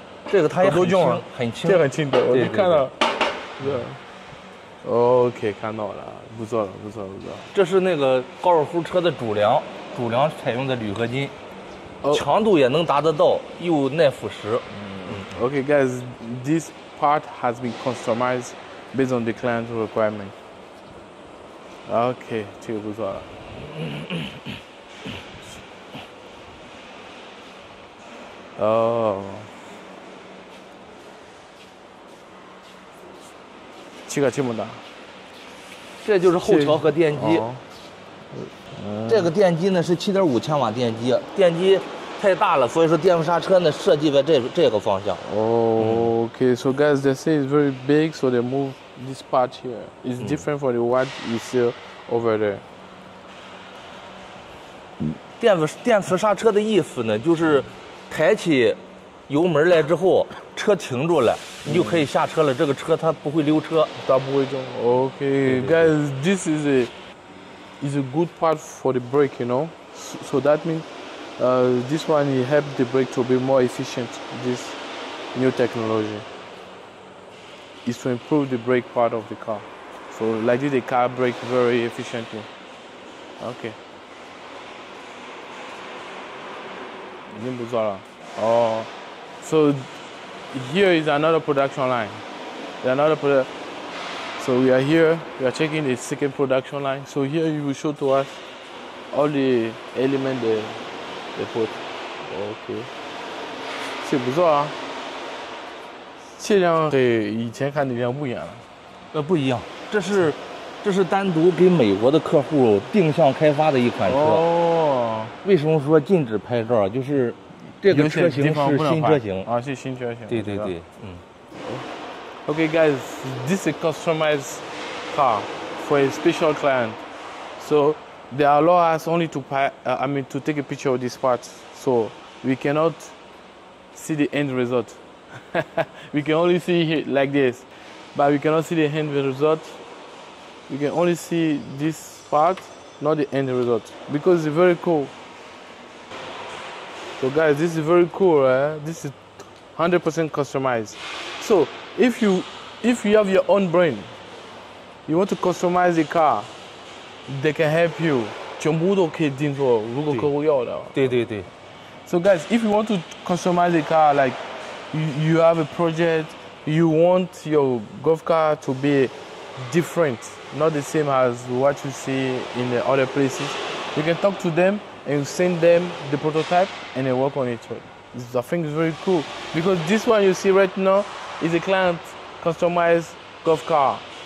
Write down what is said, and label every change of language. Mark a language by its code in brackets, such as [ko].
[zh] 这个它也很轻，很轻，这很轻的，我看到。对。 OK， 看到了，不错了，不错了，不错了。这是那个高尔夫车的主梁，主梁采用的铝合金， oh. 强度也能达得到，又耐腐蚀。 [en] Okay, guys, this part has been customized based on the client requirement. [zh] Okay, 这个不错了。哦、oh.。这个这么大，这就是后桥和电机、哦这个电机呢是7.5千瓦电机，电机太大了，所以说电动刹车呢设计在这个方向。 [en] Okay, so guys, they say it's very big, so they move this part here. It's different from the what you see over there. [zh] 电磁刹车的意思呢，就是抬起油门来之后，车停住了。你就可以下车了，这个车它不会溜车，它不会动。 [en] Okay, guys, this is a good part for the brake, you know. So that means, this one helps the brake to be more efficient. This new technology is to improve the brake part of the car. So like this, the car brake very efficiently. Okay. [zh] 已经不错了。 [en] 哦、so. Here is another production line. Another product. So we are here. We are checking the second production line. So here you will show to us all the element they put. [zh] Okay. 这不错啊。这辆和以前看的一辆不一样了。不一样。这是单独给美国的客户定向开发的一款车。哦。为什么说禁止拍照？就是。这个车型是新车型啊，是新车型。对对对， [en] 嗯。Okay, guys, this is a customized car for a special client. So they allow us only to pay,、to take a picture of this part. So we cannot see the end result. We can only see it like this, but we cannot see the end result. We can only see this part, not the end result, because it's very cool. So guys, this is very cool, right? This is 100% customized. So if you have your own brain, you want to customize a car, they can help you. [zh] 全部都可以定做，如果客户要的。对对对。 [en] So guys, if you want to customize a car, like you have a project, you want your golf car to be different, not the same as what you see in the other places, you can talk to them. And send them the prototype, and they work on it. I think it's very cool because this one you see right now is a client customized golf car.